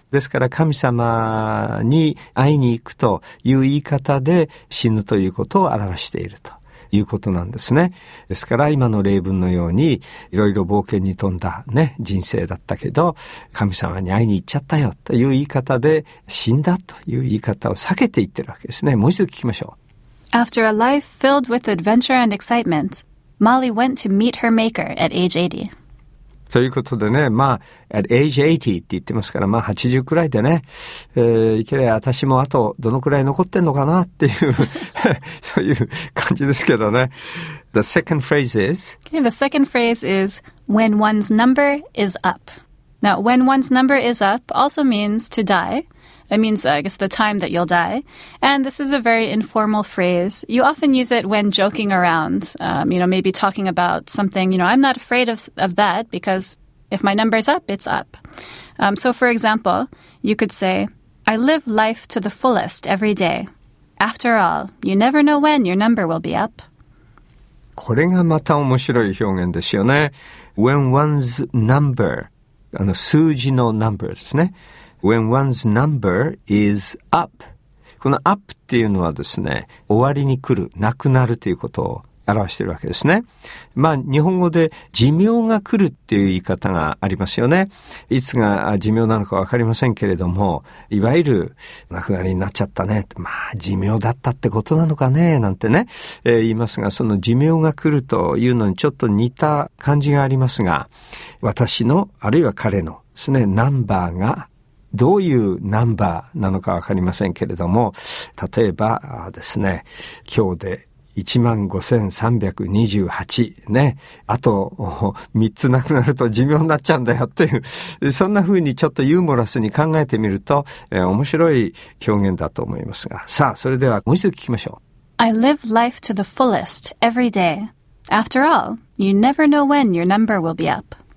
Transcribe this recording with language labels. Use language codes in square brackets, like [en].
[ja] ですから神様に会いに行くという言い方で死ぬということを表しているということなんですね。ですから今の例文のようにいろいろ冒険に富んだね人生だったけど、神様に会いに行っちゃったよという言い方で死んだという言い方を避けて言ってるわけですね。もう一度聞きましょう。 [en] After a life filled with adventure and excitement, Molly went to meet her maker at age 80. [ja] ということでね、まあ、 [en] at age 80 [ja] って言ってますから、まあ80くらいでね、いけれや私もあとどのくらい残ってんのかなっていう、そういう感じですけどね。 [en] The second phrase is? Okay, the second phrase is, when one's number is up. Now, when one's number is up also means to die. It means, I guess, the time that you'll die. And this is a very informal phrase. You often use it when joking around, maybe talking about something. You know, I'm not afraid of that because if my number's up, it's up. So, for example, you could say, I live life to the fullest every day. After all, you never know when your number will be up. [ja] これがまた面白い表現ですよね。 [en] When one's number, [ja] 数字の [en] number [ja] ですね。 [en] When one's number is up. [ja] この up っていうのはですね、終わりに来る、なくなるということを表しているわけですね。まあ、日本語で寿命が来るっていう言い方がありますよね。いつが寿命なのかわかりませんけれども、いわゆる、亡くなりになっちゃったね。まあ、寿命だったってことなのかね、なんてね、言いますが、その寿命が来るというのにちょっと似た感じがありますが、私の、あるいは彼のですね、ナンバーが、どういうナンバーなのかわかりませんけれども、例えばですね、今日で 15,328 ね、あと3つなくなると寿命になっちゃうんだよっていう、そんな風にちょっとユーモラスに考えてみると、面白い表現だと思いますが。さあ、それではもう一度聞きましょう。 [en] I live life to the fullest every day. After all, you never know when your number will be up.